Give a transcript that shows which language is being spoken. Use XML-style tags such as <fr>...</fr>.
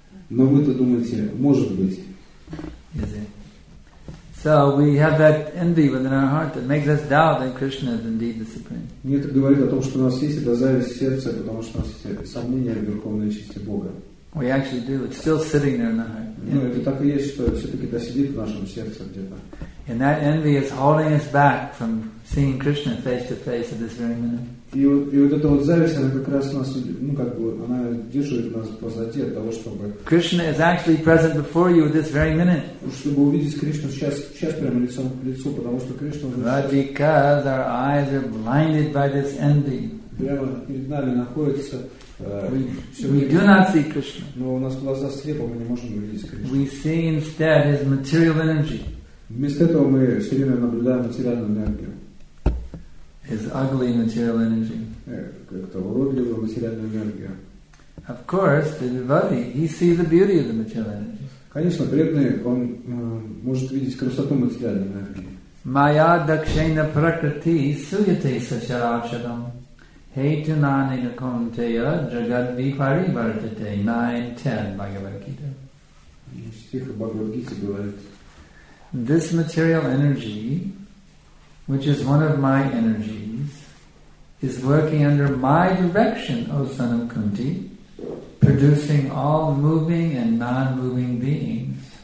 <ru>Но вы-то думаете, может быть.</ru> <en>So we have that envy within our heart that makes us doubt that Krishna is indeed the Supreme.</en> <ru>Мне это говорит о том, что у нас есть эта зависть в сердце, потому что у нас есть сомнения в верховной личности Бога.</ru> <en>We actually do. It's still sitting there in the heart.</en> <ru>Ну, это так и есть, что все-таки это сидит в нашем сердце где-то.</ru> <en>And that envy is holding us back from seeing Krishna face to face at this very minute.</en> <ru>И вот эта вот зависть, она как раз у нас, ну как бы, она держит нас позади от того, чтобы.</ru> <en>Krishna is actually present before you at this very minute.</en> <ru>Чтобы увидеть Кришну сейчас прямо лицом к лицу, потому что Кришна.</ru> <en>But because our eyes are blinded by this envy.</en> <ru>Прямо перед нами находится.</ru> <en>We do not see Krishna.</en> <ru>Но у нас глаза слепы, мы не можем увидеть Кришну.</ru> <en>We see instead his material energy.</en> <ru>Вместо этого мы все время наблюдаем материальную энергию.</ru> <en>His ugly material energy.</en> <ru>Как-то уродливая материальная энергия.</ru> <en>Of course, the devotee, he sees the beauty of the material energy.</en> <ru>Конечно, преданный, он может видеть красоту материальной энергии.</ru> <sa>Maya dakshena prakriti suyate sasharavshadam. Hetunani nakonteya jagadvi paribartate.</sa> <en>9:10 Bhagavad Gita.</en> <ru>Стих Бхагавад Гиты говорит.</ru> <en>This material energy, which is one of my energies, is working under my direction, O son of Kunti, producing all moving and non-moving beings.</en>